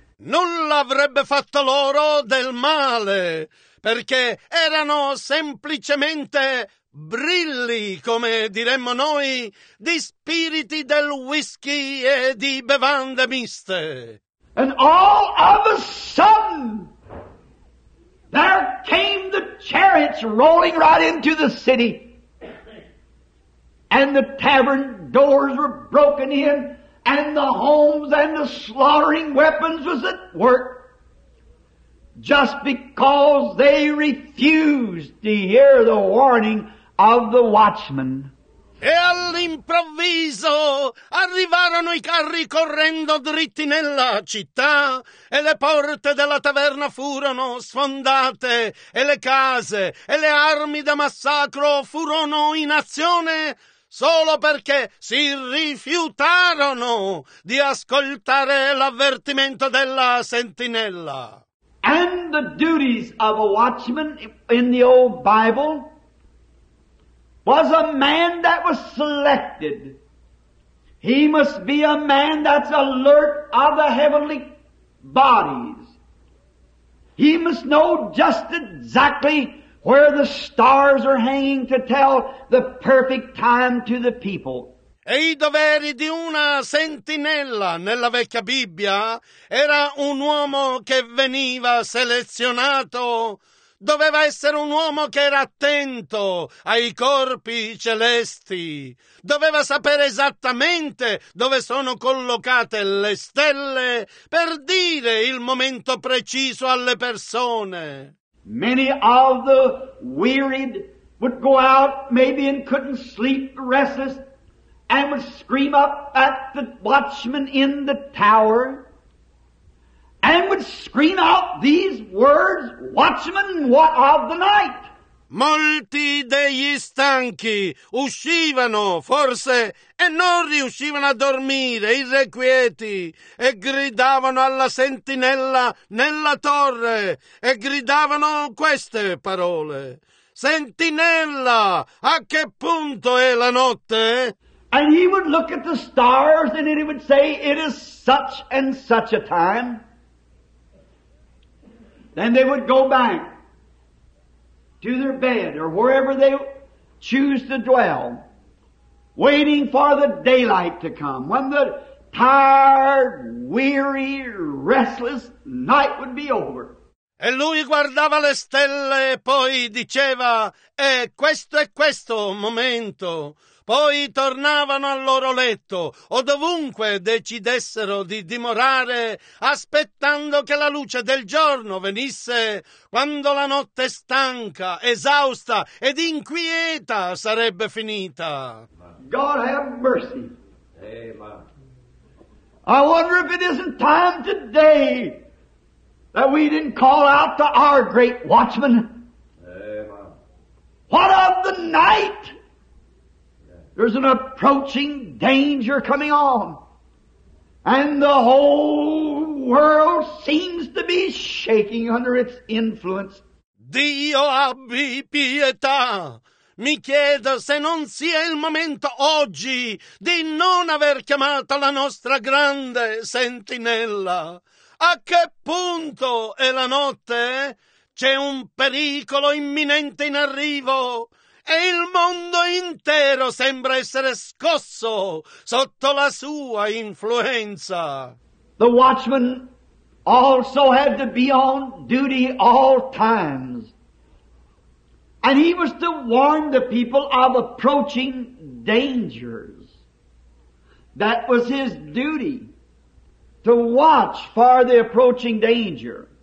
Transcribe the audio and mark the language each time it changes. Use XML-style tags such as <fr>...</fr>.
<it>Nulla avrebbe fatto loro del male, perché erano semplicemente brilli, come diremmo noi, di spiriti del whisky e di bevande miste.</it> <en>And all of a sudden, there came the chariots rolling right into the city. And the tavern doors were broken in, and the homes and the slaughtering weapons was at work, just because they refused to hear the warning of the watchman.</en> <it>E all'improvviso arrivarono i carri correndo dritti nella città e le porte della taverna furono sfondate e le case e le armi da massacro furono in azione solo perché si rifiutarono di ascoltare l'avvertimento della sentinella.</it> <en>And the duties of a watchman in the old Bible was a man that was selected. He must be a man that's alert of the heavenly bodies. He must know just exactly where the stars are hanging to tell the perfect time to the people.</en> <it>E i doveri di una sentinella nella vecchia Bibbia era un uomo che veniva selezionato. Doveva essere un uomo che era attento ai corpi celesti. Doveva sapere esattamente dove sono collocate le stelle per dire il momento preciso alle persone.</it> <en>Many of the wearied would go out maybe and couldn't sleep, restless, and would scream up at the watchman in the tower and would scream out these words, "Watchman, what of the night?"</en> <it>Molti degli stanchi uscivano, forse, e non riuscivano a dormire, irrequieti, e gridavano alla sentinella nella torre, e gridavano queste parole. Sentinella, a che punto è la notte?</it> <en>And he would look at the stars and he would say, "It is such and such a time." Then they would go back to their bed or wherever they choose to dwell, waiting for the daylight to come, when the tired, weary, restless night would be over.</en> <it>E lui guardava le stelle e poi diceva, questo è questo momento. Poi tornavano al loro letto o dovunque decidessero di dimorare, aspettando che la luce del giorno venisse, quando la notte stanca, esausta ed inquieta sarebbe finita.</it> <en>God have mercy. Amen. I wonder if it isn't time today that we didn't call out to our great watchman. Amen. What of the night? There's an approaching danger coming on, and the whole world seems to be shaking under its influence.</en> <it>Dio abbi pietà! Mi chiedo se non sia il momento oggi di non aver chiamato la nostra grande sentinella. A che punto è la notte? C'è un pericolo imminente in arrivo. E il mondo intero sembra essere scosso sotto la sua influenza.</it> <en>The watchman also had to be on duty all times. And he was to warn the people of approaching dangers. That was his duty, to watch for the approaching danger.</en>